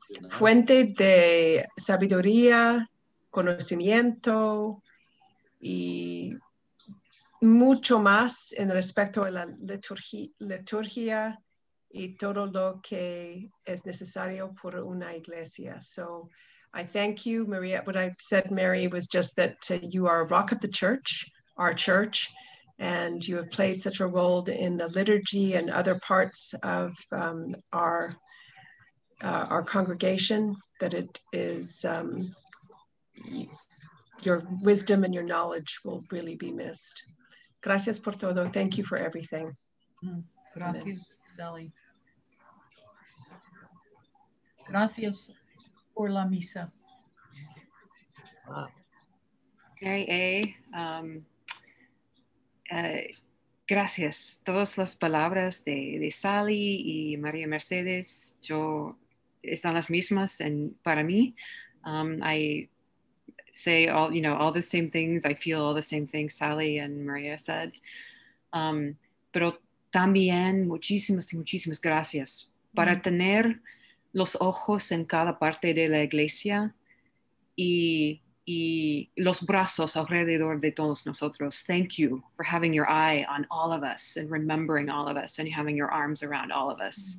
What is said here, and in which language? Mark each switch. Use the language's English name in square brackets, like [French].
[Spanish] fuente de sabiduría, conocimiento y mucho más en respecto a la liturgia y todo lo que es necesario por una iglesia. [English] So, I thank you, Maria. What I said, Mary, was just that you are a rock of the church, our church, and you have played such a role in the liturgy and other parts of our congregation, that it is your wisdom and your knowledge will really be missed. [Spanish] Gracias por todo. [English] Thank you for everything. [Spanish] Gracias, amen. Sally. Gracias. Por la misa. [English] Wow. Okay, A. Gracias. [Spanish] Todas las palabras de Sally y María Mercedes, yo están las mismas en para mí. [English] I say all the same things. I feel all the same things Sally and Maria said. [Spanish] Pero también muchísimas gracias para tener los ojos en cada parte de la iglesia y los brazos alrededor de todos nosotros. [English] Thank you for having your eye on all of us and remembering all of us and having your arms around all of us.